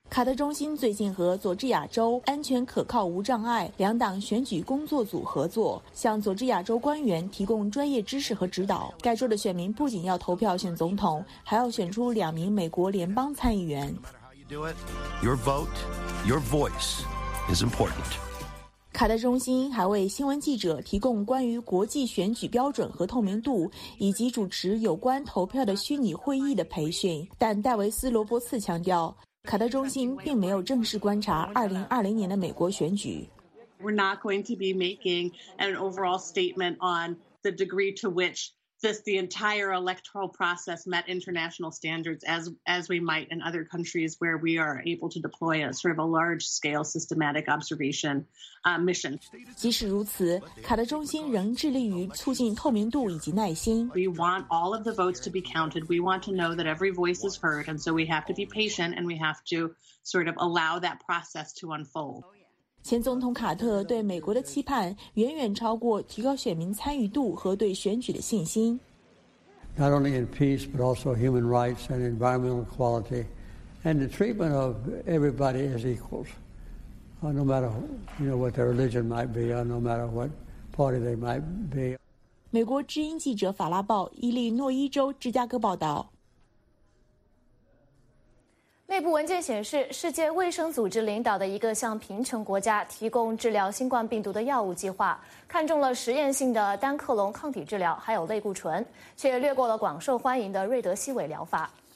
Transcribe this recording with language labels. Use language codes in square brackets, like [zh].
[zh] 卡特中心最近和佐治亚州安全可靠无障碍两党选举工作组合作，向佐治亚州官员提供专业知识和指导。该州的选民不仅要投票选总统，还要选出2名美国联邦参议员。 [en] Your vote, your voice is important. [zh] 卡特中心还为新闻记者提供关于国际选举标准和透明度，以及主持有关投票的虚拟会议的培训。但戴维斯·罗伯茨强调，卡特中心并没有正式观察2020年的美国选举。 [en] We're not going to be making an overall statement on the degree to which this the entire electoral process met international standards as we might in other countries where we are able to deploy a sort of a large scale systematic observation. Mission. [zh] 即使如此，卡特中心仍致力于促进透明度以及耐心。 [en] We want all of the votes to be counted. We want to know that every voice is heard, and so we have to be patient and we have to sort of allow that process to unfold. [zh] 前总统卡特对美国的期盼远远超过提高选民参与度和对选举的信心。 [en] Not only in peace, but also human rights and environmental equality, and the treatment of everybody as equals. No matter, you know, what their religion might be, or no matter what party they might be. [zh] 美国之音记者法拉报伊利诺伊州芝加哥报道。内部文件显示，世界卫生组织领导的一个向贫穷国家提供治疗新冠病毒的药物计划，看中了实验性的单克隆抗体治疗，还有类固醇，却略过了广受欢迎的瑞德西韦疗法。